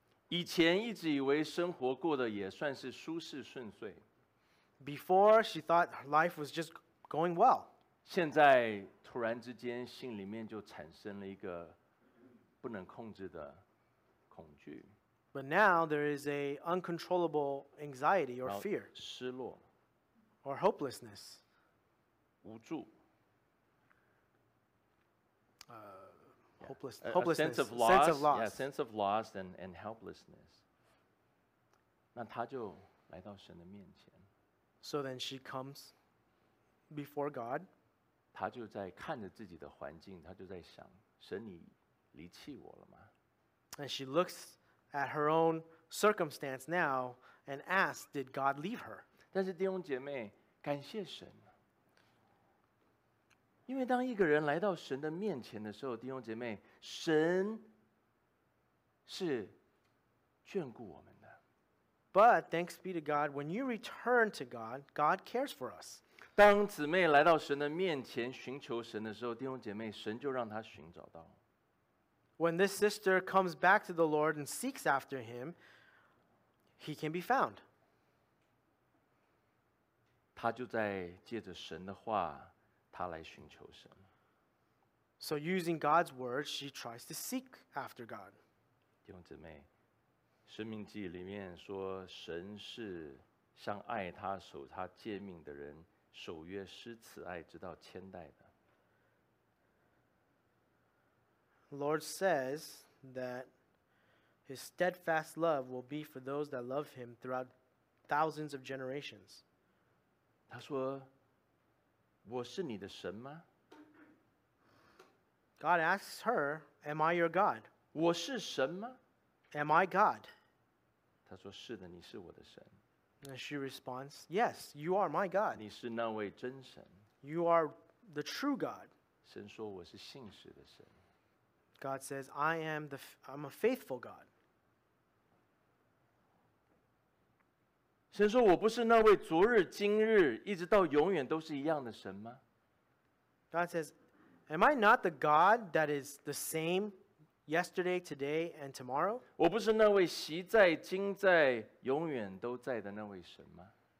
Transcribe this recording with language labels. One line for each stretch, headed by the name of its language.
Chinese: 以前一直以为生活过得也算是舒适顺遂。
English: Before, she thought life was just going well.
Chinese: 现在突然之间，心里面就产生了一个不能控制的恐惧。
English: But now there is a uncontrollable anxiety or fear.
Chinese: 失落。
English: Or hopelessness.
Chinese: 无助。
English: Hopelessness. A sense of loss and helplessness.
Chinese: 那她就来到神的面前。
English: So then she comes before God.
Chinese: 她就在看着自己的环境，她就在想，神你离弃我了吗？
English: And she looks at her own circumstance now and asks, did God leave her?
Chinese: 但是弟兄姐妹，感谢神。因为当一个人来到神的面前的时候，弟兄姐妹，神是眷顾我们的。
English: But thanks be to God, when you return to God, God cares for us.
Chinese: 当姊妹来到神的面前寻求神的时候，弟兄姐妹，神就让她寻找到。
English: When this sister comes back to the Lord and seeks after him, he can be found.
Chinese: 她就在借着神的话他来寻求神。
English: So using God's word, she tries to seek after God.
Chinese: 弟兄姊妹，《申命记》里面说，神是向爱他、守他诫命的人守约施慈爱，直到千代的。
English: Lord says that his steadfast love will be for those that love him throughout thousands of generations.
Chinese: 他说。我是你的神吗？
English: God asks her, am I your God?
Chinese: 我是神吗？
English: Am I God?
Chinese: 她说是的，你是我的神。
English: And she responds, yes, you are my God.
Chinese: 你是那位真神。
English: You are the true God.
Chinese: 神说我是信实的神。
English: God says, I'm a faithful God.
Chinese: 神说我不是那位昨日今日一直到永远都是一样的神吗？
English: God says, am I not the God that is the same yesterday, today, and tomorrow?
Chinese: 我不是那位昔在今在永远都在的那位神吗？